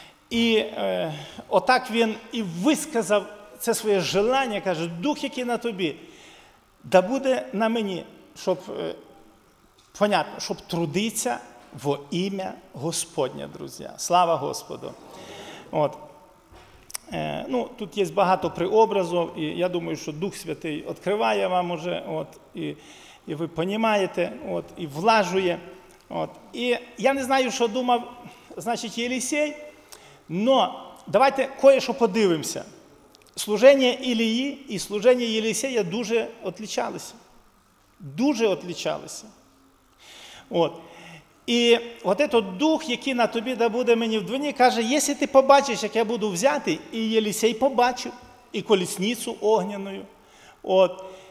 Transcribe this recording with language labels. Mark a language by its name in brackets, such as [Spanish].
[Ukrainian] І отак він і висказав це своє желання, каже, дух, який на тобі, да буде на мені, щоб, понятно, щоб трудитися во ім'я Господнє, друзі. Слава Господу. От. Ну, тут є багато прообразів, і я думаю, що Дух Святий відкриває вам уже, от, і ви розумієте, от, і влажує. От. І я не знаю, що думав, значить, Єлисей, [Russian] Но давайте кое-что подивимся. Служение Ілії и служение Елисея дуже отличалися. [Ukrainian] Дуже отличалися. Вот. І от этот дух, який на тобі да буде мені вдвоє, каже, якщо ти побачиш, як я буду взяти, і Єлісей побачив, і колісницю огняною. От.